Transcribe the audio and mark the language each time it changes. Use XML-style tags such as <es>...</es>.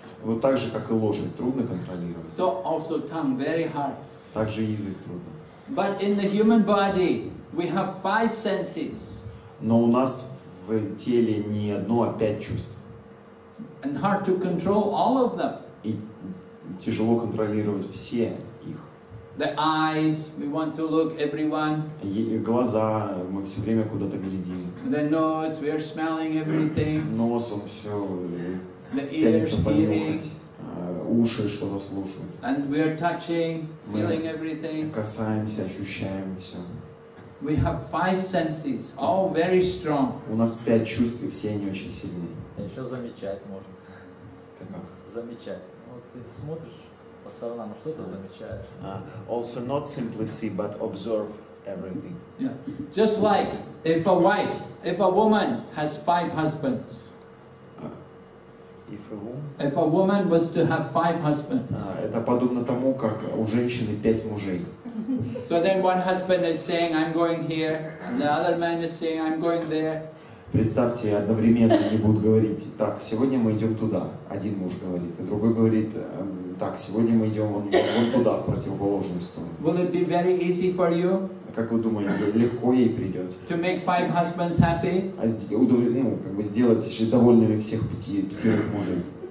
<ru>Вот так же, как и лошадь, трудно контролировать.</ru> <en>So also tongue, very hard.</en> <ru>Также язык трудно.</ru> <en>But in the human body, we have five senses.</en> <ru>Но у нас в теле не одно, а пять чувств.</ru> <en>And hard to control all of them.</en> <ru>И тяжело контролировать все их.</ru> <en>The eyes, we want to look everyone.</en> <ru>И глаза, мы все время куда-то глядим.</ru> <en>The nose, we are smelling everything.</en> <ru>Нос, он все тянется понюхать. Уши что-то слушают.</ru> <en>And we are touching, feeling everything.</en> <ru>Касаемся, ощущаем все.</ru> <en>We have five senses, all very strong.</en> <ru>У нас пять чувств, и все они очень сильные. А еще замечать можно. Так. Замечать. Вот ты смотришь по сторонам, что-то замечаешь.</ru> <en>Also not simply see, but observe everything. Yeah. Just like if a woman has five husbands. If a woman was to have five husbands.</en> <ru>Это подобно тому, как у женщины пять мужей.</ru> <en>So then one husband is saying, I'm going here, and the other man is saying, I'm going there.</en> <ru>Представьте, одновременно они будут говорить, так, сегодня мы идем туда, один муж говорит, и другой говорит, так, сегодня мы идем вон туда, в противоположную сторону.</ru> <en>Will it be very easy for you?</en> <ru>Как вы думаете, легко ей придется?</ru> <en>To make five husbands happy?</en> <ru>Сделать довольными всех пятерых мужей.</ru>